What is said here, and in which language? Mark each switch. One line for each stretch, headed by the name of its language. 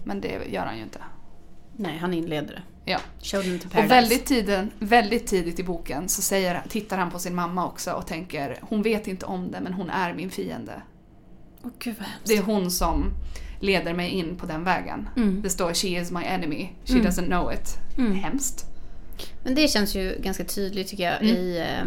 Swedish: Men det gör han ju inte. Nej, han inleder det. Ja.
English: Show them to paradise.
Swedish: Och väldigt tidigt i boken så tittar han på sin mamma också och tänker, hon vet inte om det men hon är min fiende. Oh, Gud, vad det är hon som leder mig in på den vägen. Mm. Det står
English: she is my enemy, she doesn't know it.
Swedish: Mm. Hemskt. Men det känns ju ganska tydligt tycker jag i